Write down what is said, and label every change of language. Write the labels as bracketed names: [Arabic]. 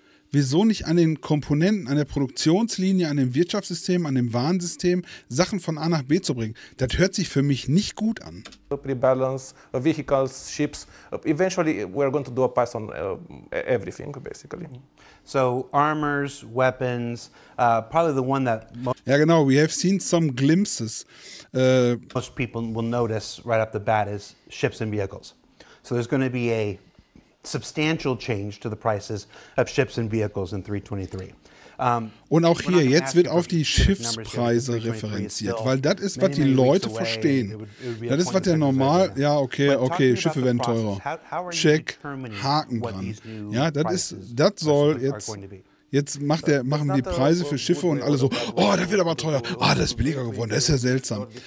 [German] Wieso nicht an den Komponenten, an der Produktionslinie, an dem Wirtschaftssystem, an dem Warnsystem, Sachen von A nach B zu bringen? Das hört sich für mich nicht gut an. [English] Rebalance, vehicles, ships. Eventually we're going to do a pass on everything, basically. So, armors, weapons, probably the one that... We have seen some glimpses. Most people will notice right off the bat is ships and vehicles. So there's going to be a substantial change to the prices of ships and vehicles in 3.23. [German] Und auch hier, jetzt wird auf die Schiffspreise referenziert, weil das ist, was die Leute verstehen. Das ist, was der normal, Schiffe werden teurer. Check, Haken dran. Ja, das soll jetzt, Jetzt machen die Preise für Schiffe und alle so, oh, das wird aber teuer, oh, das ist billiger geworden, das ist ja seltsam.